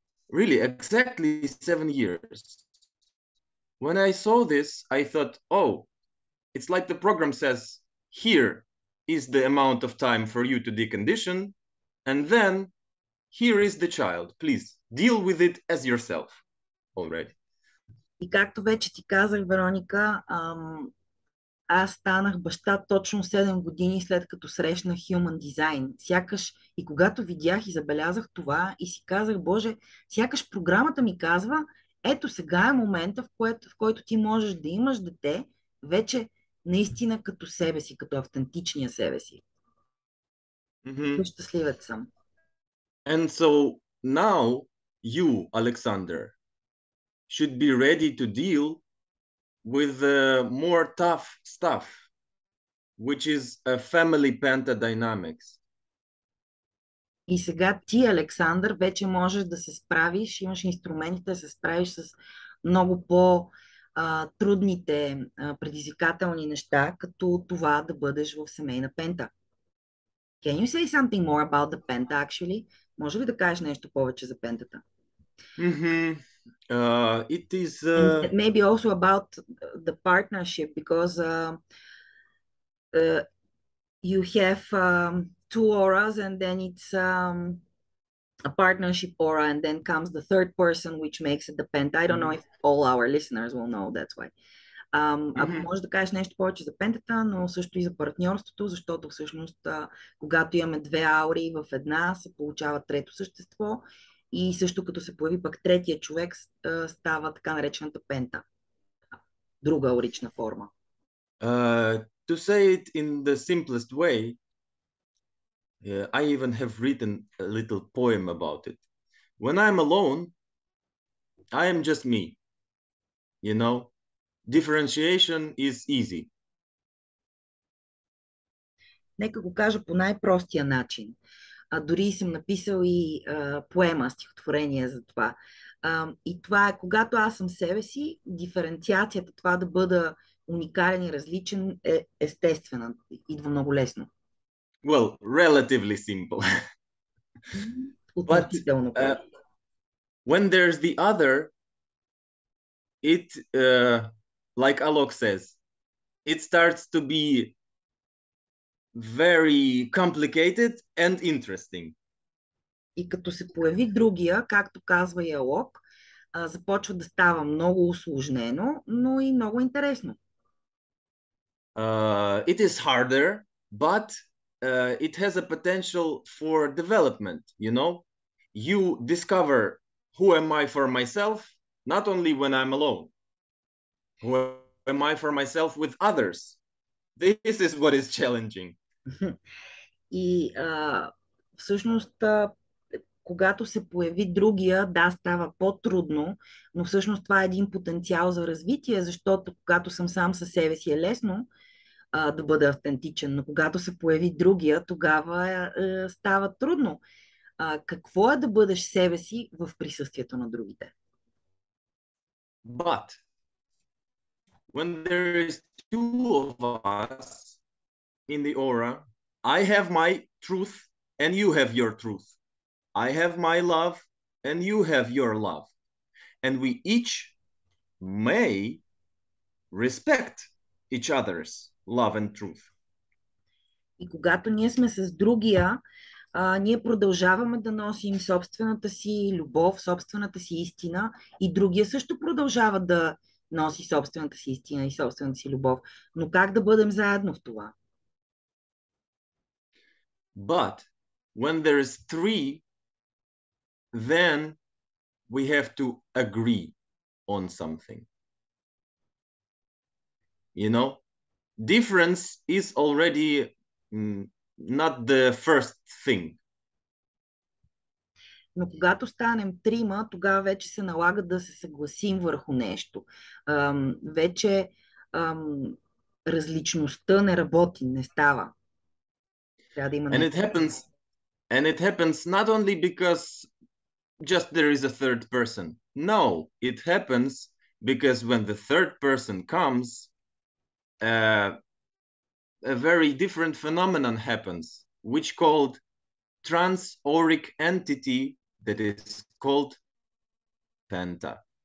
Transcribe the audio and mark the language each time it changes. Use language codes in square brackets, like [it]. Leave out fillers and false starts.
[en] Really, exactly 7 years. When I saw this, I thought, oh, it's like the program says, here is the amount of time for you to decondition, and then here is the child. Please, deal with it as yourself already. [bg] И както вече ти казах, Вероника, аз станах баща точно 7 години след като срещнах Human Design. Сякаш и когато видях и забелязах това и си казах, Боже, сякаш програмата ми казва, ето сега е момента, в който ти можеш да имаш дете, вече наистина като себе си, като автентичния себе си. Mm-hmm. Щастливец съм. [en] And so now you, Alexander, should be ready to deal with the more tough stuff, which is a family pentadynamics. [bg] И сега ти, Александър, вече можеш да се справиш, имаш инструментите да се справиш с много по-трудните, предизвикателни неща, като това да бъдеш в семейна пента. [en] Can you say something more about the penta, actually? [bg] Може ли да кажеш нещо повече за пентата? [en] Mm-hmm. It is maybe also about the partnership, because you have two auras, and then it's a partnership aura, and then comes the third person, which makes it the penta. I don't know if all our listeners will know, that's why. [bg] Ако можеш да кажеш нещо повече за пентата, но също и за партньорството, защото всъщност, когато имаме две аури в една, се получава трето същество. И също като се появи пък третия човек, става така наречената пента. Друга аурична форма. [en] To say it in the simplest way, I even have written a little poem about it. When I'm alone, I am just me. You know, differentiation is easy. [bg] Нека го кажа по най-простия начин. Дори съм написал и поема, стихотворение за това. И това е, когато аз съм себе си, диференциацията, това да бъда уникален и различен, е естествена. Идва много лесно. [en] Well, relatively simple. [bg] Относително. [en] But, when there's the other, it, like Alok says, it starts to be very complicated and interesting. [bg] И като се появи другия, както казва и Алок, започва да става много усложнено, но и много интересно. [en] It is harder, but it has a potential for development, you know? You discover who am I for myself, not only when I'm alone. Who am I for myself with others? This is what is challenging. [bg] И всъщност, когато се появи другия, да, става по-трудно, но всъщност това е един потенциал за развитие, защото когато съм сам със себе си е лесно да бъда автентичен, но когато се появи другия, тогава става трудно. Какво е да бъдеш себе си в присъствието на другите? [en] But when there is two of us in the aura, I have my truth and you have your truth. I have my love and you have your love. And we each may respect each other's love and truth. [bg] И когато ние сме с другия, ние продължаваме да носим собствената си любов, собствената си истина, и другия също продължава да носи собствената си истина и собствената си любов. Но как да бъдем заедно в това? [en] But when there is three, then we have to agree on something. You know, difference is already not the first thing. [bg] Но когато станем трима, тогава вече се налага да се съгласим върху нещо. Вече различността не работи, не става. Трябва да има нещо. [en] And it happens not only because just there is a third person. No, it happens because when the third person comes, a very different phenomenon happens, which called transauric entity that is called Penta.